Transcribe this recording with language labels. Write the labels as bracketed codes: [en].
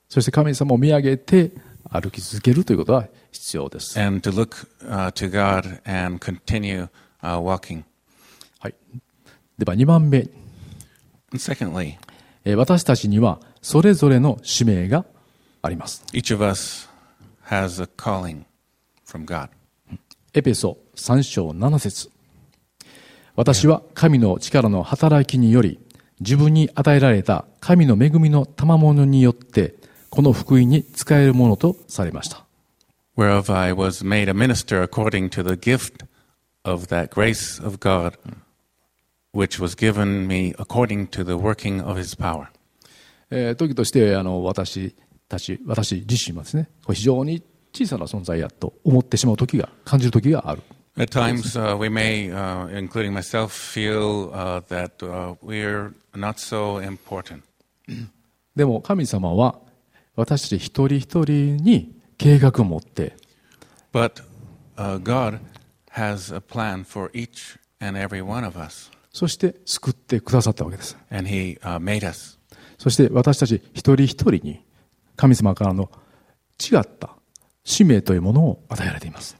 [ja] そして神様を見上げて歩き続けるということは必要です。 [en] And to look to God and continue walking. [ja] はい。では2番目。 [en] Secondly, [ja] 私たちにはそれぞれの使命があります。 [en] Each of us has a calling from God. [ja] エペソ3章7節。私は神の力の働きにより、自分に与えられた神の恵みの賜物によって、この福音に使えるものとされました。 [en] Whereof I was made a minister according to the gift of that grace of God, which was given me according to the working of his power. [ja] 時として私自身はですね、非常に小さな存在やと思ってしまう時が、感じる時がある。 [en] At times, we may, including myself, feel that we're not so important. [ja] でも神様は私たち一人一人に計画を持って、 [en] But God has a plan for each and every one of us. [ja] そして救ってくださったわけです。 [en] And He made us. [ja] そして私たち一人一人に神様からの違った使命というものを与えられています。